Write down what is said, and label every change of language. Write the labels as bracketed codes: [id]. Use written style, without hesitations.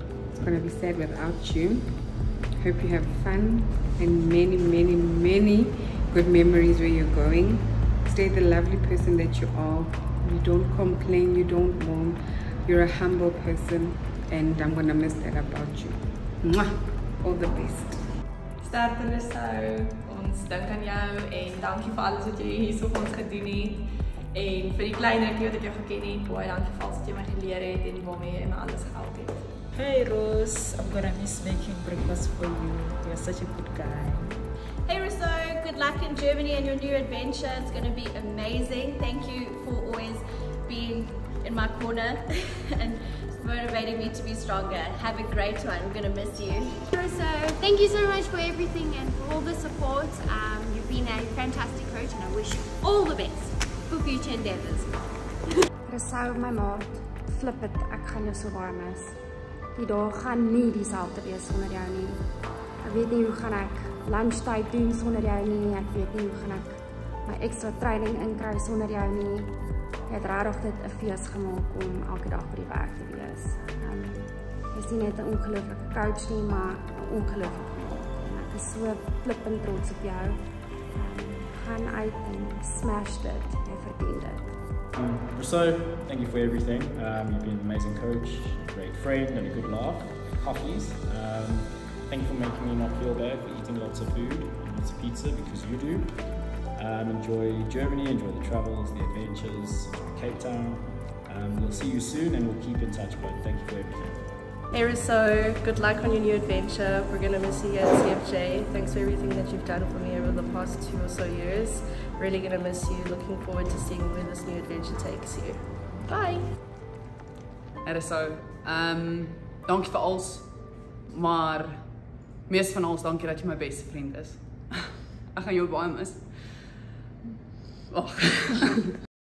[en] It's going to be sad without you. Hope you have fun and many, many, many good memories where you're going. Stay the lovely person that you are. You don't complain, you don't moan. You're a humble person and I'm going to miss that about you. Mwah! All the best. Start the Rousseau. [af] ons dink aan jou en dankie vir alles wat jy hier so vir ons gedoen het. En vir die klein rukkie wat ek jou geken het, baie dankie vir alles wat jy my geleer het en waarmee jy my alles gehelp het. [en] Hey Roos, I'm gonna miss making breakfast for you. You're such a good guy. Hey Rousseau, good luck in Germany and your new adventure. It's gonna be amazing. Thank you for always being in my corner and motivating me to be stronger. Have a great one. I'm gonna miss you. Rousseau, thank you so much for everything and for all the support. You've been a fantastic coach and I wish you all the best for future endeavors. [af] Rousseau, my maat, flip it. Ek gaan jou so baie mis. Die dag gaan nie dieselfde wees sonder jou nie. Ek weet nie hoe gaan ek lunchtyd doen sonder jou nie. Ek weet nie hoe gaan ek my ekstra training inkry sonder jou nie. Jy het regtig dit 'n fees gemaak om elke dag by die werk te wees. Jy's nie net 'n ongelooflike coach nie, maar 'n ongelooflike man. En ek is so flippend trots op jou. Gaan uit en smash dit. Jy verdien dit. [en] Rousseau, thank you for everything. You've been an amazing coach, great friend, and a good laugh, coffees. Thank you for making me not feel bad for eating lots of food and lots of pizza, because you do. Enjoy Germany, enjoy the travels, the adventures, Cape Town. We'll see you soon and we'll keep in touch, but thank you for everything. Hey Rousseau, good luck on your new adventure. We're going to miss you at CFJ. Thanks for everything that you've done for me over the past 2 or so years. Really going to miss you. Looking forward to seeing where this new adventure takes you. Bye! [af] Hey Rousseau, dankie vir alles, maar meest van alles dankie dat jy my beste vriend is. Ek gaan jou baie mis. Oh.